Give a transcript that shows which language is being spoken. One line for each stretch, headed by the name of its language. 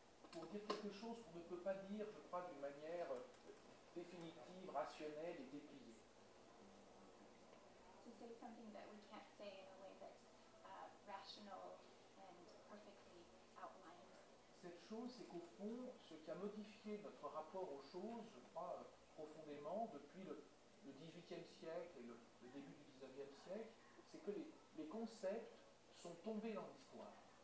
French: Pour dire quelque chose qu'on ne peut pas dire, je crois, d'une manière définitive, rationnelle et dépliée.
English: To say something that we can't say in a way that's rational and perfectly outlined.
French: Cette chose, c'est qu'au fond, ce qui a modifié notre rapport aux choses, je crois, profondément, depuis le 18e siècle et le début du 19e siècle, c'est que les concepts sont tombés dans l'histoire.